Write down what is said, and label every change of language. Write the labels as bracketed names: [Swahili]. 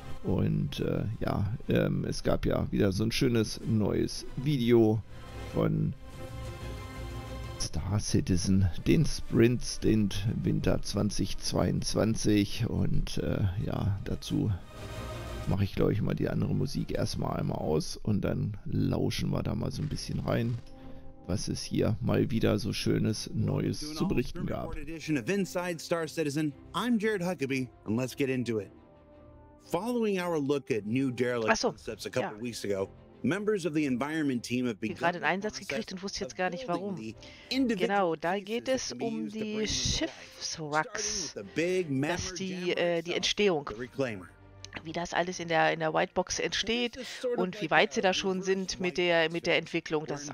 [German] Und ja, es gab ja wieder so ein schönes neues Video von Star Citizen, den Sprints, den Winter 2022 und ja, dazu mache ich, glaube ich, mal die andere Musik erstmal einmal aus und dann lauschen wir da mal so ein bisschen rein, was es hier mal wieder so Schönes Neues zu berichten gab. [English] Inside Star Citizen. I'm Jared Huckabee and let's get into it. Following our look at new derelict concepts a couple weeks ago, members of the environment team have begun. [German] Gerade einen Einsatz gekriegt und wusste jetzt gar nicht warum. Genau, da geht es um die Schiffswracks, dass die Entstehung. Wie das alles in der Whitebox entsteht und wie weit sie da schon sind mit der Entwicklung.